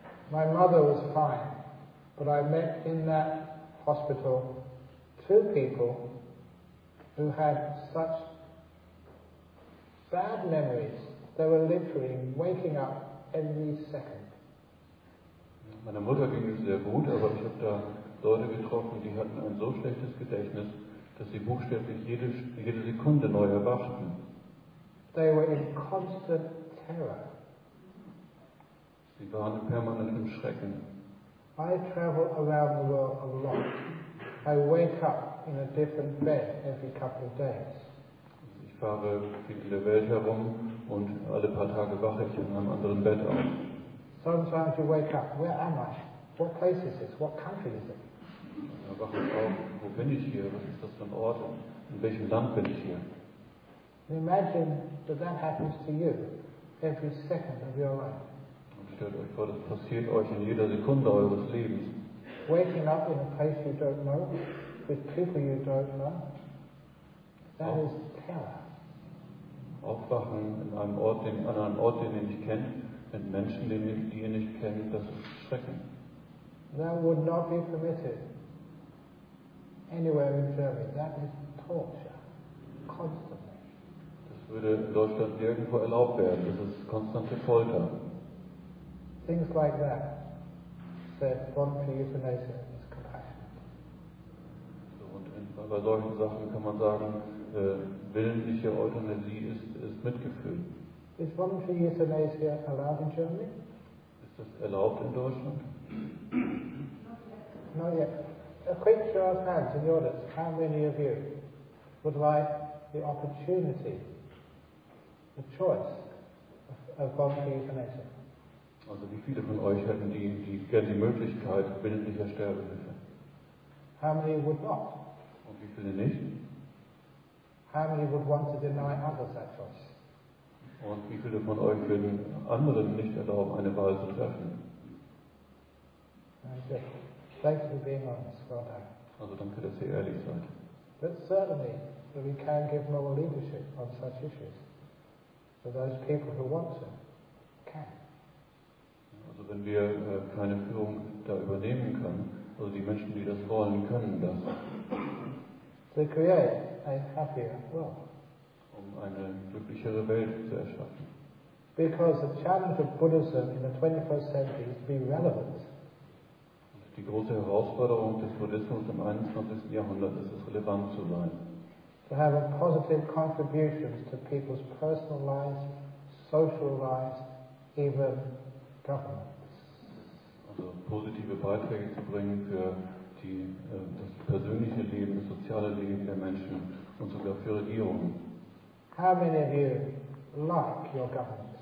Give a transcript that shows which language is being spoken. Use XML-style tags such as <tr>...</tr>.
<en>My mother was fine, but I met in that hospital two people who had such bad memories, they were literally waking up every second.</en> <de>Meiner Mutter ging es sehr gut, aber ich habe da Leute getroffen, die hatten ein so schlechtes Gedächtnis, dass sie buchstäblich jede Sekunde neu erwachten.</de> <en>They were in constant terror.</en> <de>Sie waren permanent im Schrecken.</de> <en>I travel around the world a lot. I wake up in a different bed every couple of days.</en> <de>Ich fahre viel in der Welt herum und alle paar Tage wache ich in einem anderen Bett auf.</de> <en>Sometimes you wake up, where am I? What place is this? What country is it?</en> <de>Ja, wache ich auf, wo bin ich hier? Was ist das für ein Ort? In welchem Land bin ich hier?</de> <en>Imagine that that happens to you every second of your life.</en> <de>Und stellt euch vor, das passiert euch in jeder Sekunde eures Lebens.</de> <en>Waking up in a place you don't know, with people you don't know, that is terror.</en> <de>Aufwachen in einem Ort, an einem Ort, den ihr nicht kennt, mit Menschen, die ihr nicht kennt, das ist Schrecken.</de> <en>That would not be permitted anywhere in Germany. That is torture. Constantly.</en> <de>Das würde in Deutschland nirgendwo erlaubt werden. Das ist konstante Folter.</de> <en>Things like that said voluntary euthanasia is compassionate.</en> <de>So, und bei solchen Sachen kann man sagen, willentliche Euthanasie ist Mitgefühl.</de> <en>Is voluntary euthanasia allowed in Germany?</en> <de>Ist das erlaubt in Deutschland?</de> <en>Not yet. A quick show of hands in the audience. How many of you would like the opportunity, the choice of voluntary euthanasia?</en> <de>Also wie viele von euch hätten die Möglichkeit willentlicher Sterbehilfe?</de> <en>How many would not?</en> <de>Und wie viele nicht?</de> <en>How many would want to deny others that choice?</en> <de>Und wie viele von euch würden anderen nicht erlauben, eine Wahl zu treffen?</de> <en>Thanks for being honest, well done.</en> <de>Also danke, dass ihr ehrlich seid.</de> <en>But certainly, we can give more leadership on such issues. For those people who want to, can.</en> <de>Also wenn wir keine Führung da übernehmen können, also die Menschen, die das wollen, können das.</de> <en>To create a happier world.</en> <de>Um eine glücklichere Welt zu erschaffen.</de> <en>Because the challenge of Buddhism in the 21st century is to be relevant.</en> <de>Und die große Herausforderung des Buddhismus im 21. Jahrhundert ist es, relevant zu sein.</de> <en>To have a positive contribution to people's personal lives, social lives, even governments.</en> <de>Also positive Beiträge zu bringen für das persönliche Leben, das soziale Leben der Menschen und sogar für Regierungen.</de> <en>How many of you like your government?</en>